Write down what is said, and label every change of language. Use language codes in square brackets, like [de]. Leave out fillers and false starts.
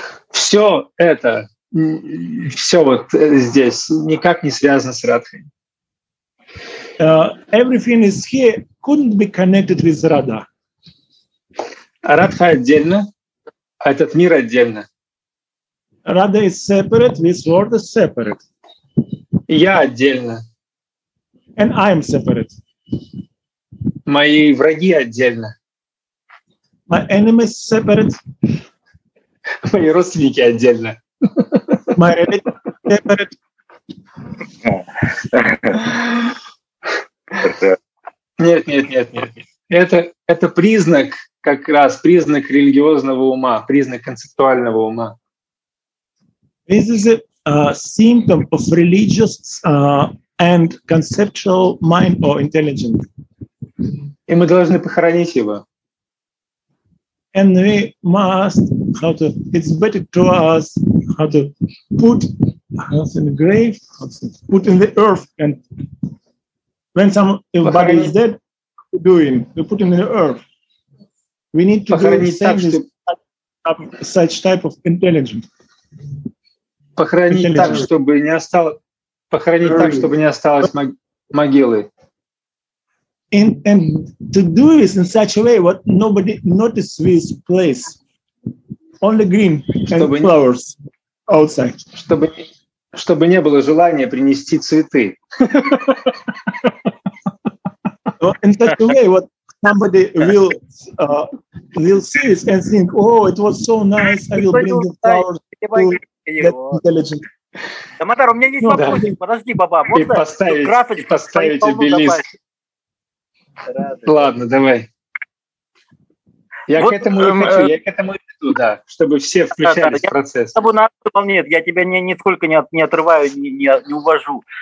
[ru] Все это, все вот здесь никак не связано с Радхой. [en] Everything is here couldn't be connected with Radha. [ru] Радха отдельно, а этот мир отдельно. [en] Radha is separate, this world is separate. [ru] Я отдельно. [en] And I am separate. [ru] Мои враги отдельно. [en] My enemies separate. [ru] Мои родственники отдельно. [en] My relatives separate. [ru] Нет. Это признак, как раз признак религиозного ума, признак концептуального ума. [en] This is a symptom of religious and conceptual mind or intelligence. [ru] И мы должны похоронить его. [en] And we must how to it's better to us how to put us in the grave, put in the earth, and when somebody is dead, what are we doing? We put him in the earth. We need to do the same. such type of intelligence. [ru] Похоронить так, чтобы не осталось, похоронить так, чтобы не осталось могилы. [en] And to do this in such a way, what nobody noticed this place, only green and flowers outside. [ru] Чтобы не было желания принести цветы. [en] In such a way, what somebody will see this and think, oh, it was so nice, I will bring the flowers to that intelligent. [ru] Дамодар, у меня есть вопрос. Подожди, баба, можно красочку? И поставить обелиск. Рады. Ладно, давай. Я вот, к этому и хочу, я к этому иду, да, чтобы все включались в процесс. Нет, я тебя нисколько не отрываю, не увожу.